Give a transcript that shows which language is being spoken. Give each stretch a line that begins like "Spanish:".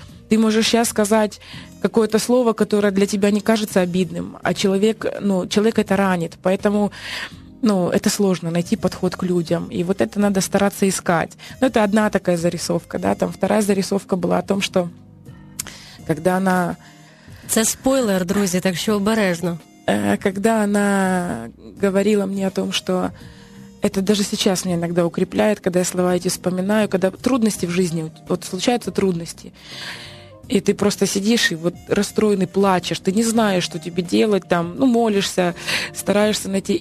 Russian: Ты можешь сейчас сказать какое-то слово, которое для тебя не кажется обидным, а человек, ну, человек это ранит. Поэтому, ну, это сложно, найти подход к людям. И вот это надо стараться искать. Ну, это одна такая зарисовка, да. Там вторая зарисовка была о том, что когда она...
Ukrainian: Це спойлер, друзья, так що обережно.
Russian: Когда она говорила мне о том, что... Это даже сейчас меня иногда укрепляет, когда я слова эти вспоминаю, когда трудности в жизни, вот случаются трудности, и ты просто сидишь и вот расстроенный плачешь, ты не знаешь, что тебе делать, там, ну, молишься, стараешься найти.